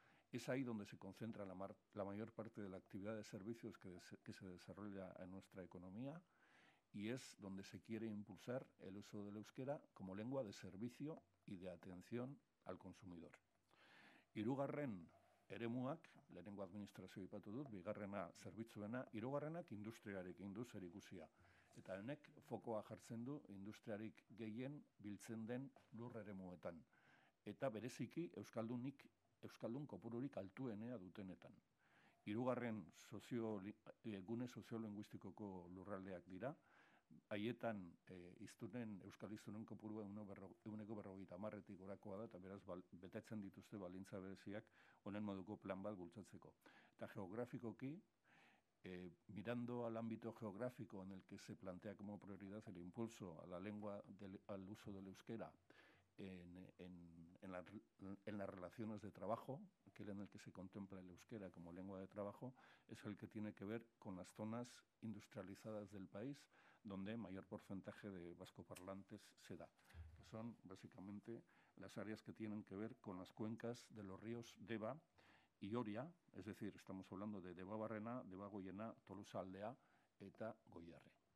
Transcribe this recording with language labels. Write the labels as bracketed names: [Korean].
[Spanish] Es ahí donde se concentra la mayor parte de la actividad de servicios que se desarrolla en nuestra economía y es donde se quiere impulsar el uso del euskera como lengua de servicio y de atención al consumidor. [Basque] Hirugarren eremuak, lehenengo administrazioa aipatu dut, bigarrena zerbitzuena, hirugarrenak industriarekin du zerikusia. Eta honek fokoa jartzen du industriarik gehien biltzen den lur eremuetan. Eta bereziki euskaldun kopururik altuenea dutenetan. Hirugarren gune soziolinguistikoko lurraldeak dira, haietan euskal iztunen kopurua ehuneko berrogeita hamarretik gorakoa da, eta beraz betetzen dituzte baldintza bereziak honen moduko plan bat bultzatzeko. Eta geografikoki, [Spanish] mirando al ámbito geográfico en el que se plantea como prioridad el impulso a la lengua al uso del euskera en las relaciones de trabajo, aquel en el que se contempla el euskera como lengua de trabajo, es el que tiene que ver con las zonas industrializadas del país donde mayor porcentaje de vascoparlantes se da, que son básicamente las áreas que tienen que ver con las cuencas de los ríos Deba y Oria, es decir, estamos hablando de Debabarrena, Debagoiena, Tolosa Aldea eta Goierri.